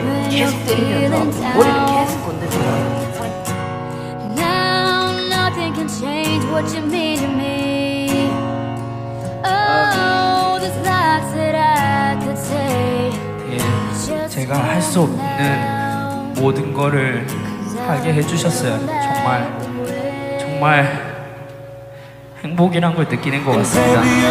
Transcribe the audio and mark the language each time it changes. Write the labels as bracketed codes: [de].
[ko] 계속 들으면서 머리를 계속 건드세요. [en] Now nothing can change what you mean to me. Oh, there's lots that I could say. [ko] 예, 제가 할 수 없는 모든 거를 하게 해주셨어요. 정말 정말 행복이란 걸 느끼는 것 같습니다.